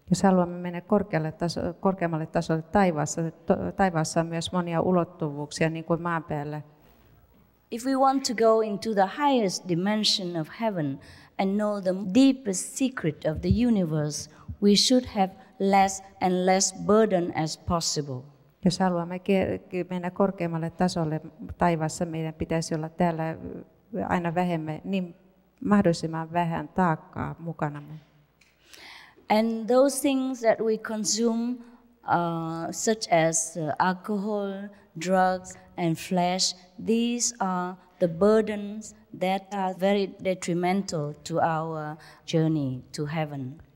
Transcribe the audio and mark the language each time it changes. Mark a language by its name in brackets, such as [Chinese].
[Finnish] Jos haluamme mennä korkeammalle tasolle taivaassa on myös monia ulottuvuuksia niin kuin maan päällä. [English] If we want to go into the highest dimension of heaven and know the deepest secret of the universe, we should have less and less burden as possible. [Finnish] Jos haluamme mennä korkeammalle tasolle taivaassa, meidän pitäisi olla täällä aina vähemmän, niin mahdollisimman vähän taakkaa mukanamme. [English] And those things that we consume, such as alcohol, drugs, and flesh, these are the burdens that are very detrimental to our journey to heaven.